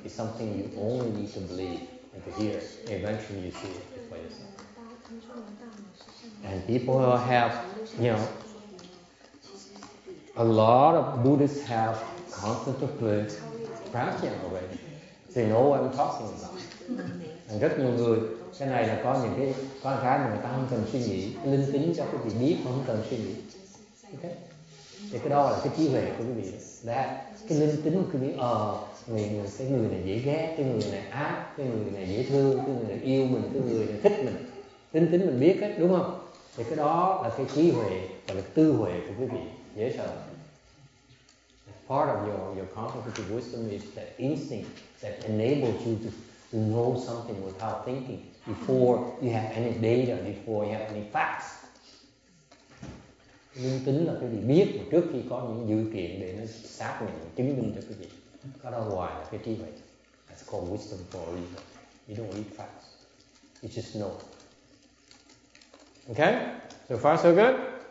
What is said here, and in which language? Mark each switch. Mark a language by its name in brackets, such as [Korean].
[English] It's something you only need to believe and to hear. Eventually you see it for yourself. And people who have, you know, a lot of Buddhists have contemplative practice already. They know what I'm talking about. [Vietnamese] And rất nhiều người, cái này là có những cái con cái mà người ta không cần suy nghĩ, linh tính cho quý vị biết không cần suy nghĩ. Okay? Thì cái đó là cái trí huệ của quý vị. That, cái linh tính của quý vị, cái người này dễ ghét, cái người này ác, cái người này dễ thương, cái người này yêu mình, cái người này thích mình. Linh tính mình biết hết, đúng không? Thì cái đó là cái trí huệ và là tư huệ của quý vị, dễ sợ. [English] Part of your contemplative wisdom is that instinct that enables you to know something without thinking, before you have any data, before you have any facts. [Vietnamese] Linh tính là cái gì biết trước khi có những dự kiện để nó xác nhận, chứng minh cho cái gì. Có đó hoài là cái trí huệ. [English] That's called wisdom for a reason. You don't need facts. You just know. Okay? So far so good?